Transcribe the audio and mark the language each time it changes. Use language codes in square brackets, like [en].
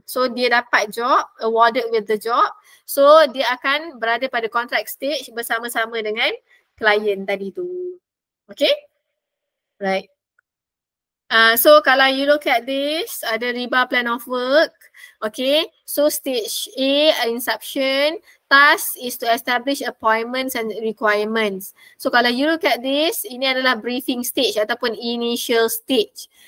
[ms] So dia dapat job, [en] awarded with the job. [ms] So dia akan berada pada contract stage bersama-sama dengan client tadi tu. Okay? Right. So kalau [en] you look at this, ada RIBA plan of work. Okay, so stage A, inception. Task is to establish appointments and requirements. [ms] So kalau [en] you look at this, [ms] ini adalah briefing stage ataupun initial stage.